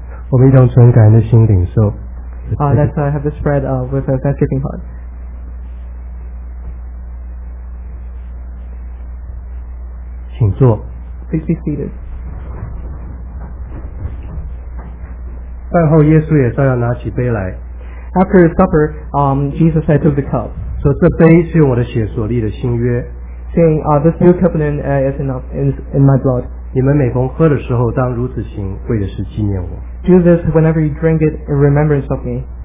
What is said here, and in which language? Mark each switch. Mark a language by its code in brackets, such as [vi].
[zh] 我们一同存感恩的心领受。 [en] Let's have the spread with a thanksgiving heart. [zh] 请坐。 [en] Please be seated. [zh] 饭后耶稣也照样拿起杯来。 [en] After supper, Jesus had took the cup. [zh] 说这杯是用我的血所立的新约。 [en] Saying, this new covenant is in my blood. [zh] 你们每逢喝的时候当如此行为的是纪念我。 [en] Do this whenever you drink it in remembrance of me.